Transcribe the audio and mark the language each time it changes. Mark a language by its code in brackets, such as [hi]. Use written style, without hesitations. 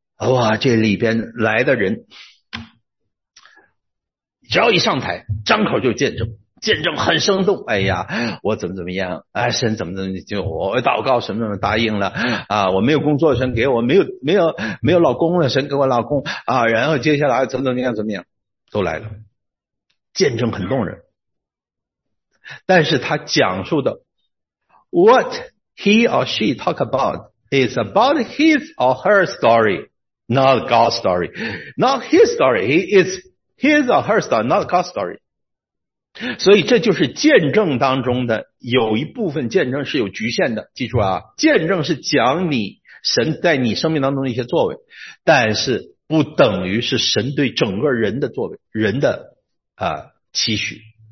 [zh] 哇，这里边来的人只要一上台，张口就见证，见证很生动。哎呀，我怎么怎么样？哎，神怎么怎么就我祷告什么什么答应了啊？我没有工作，神给我没有老公了，神给我老公啊。然后接下来怎么怎么样怎么样，都来了，见证很动人。但是他讲述的 [en] ，what he or she talk about is about his or her story, not God's story, not his story. He is his or her story, not God's story. [zh] 所以这就是见证当中的有一部分见证是有局限的，记住啊，见证是讲你神在你生命当中的一些作为，但是不等于是神对整个人的作为，人的期许。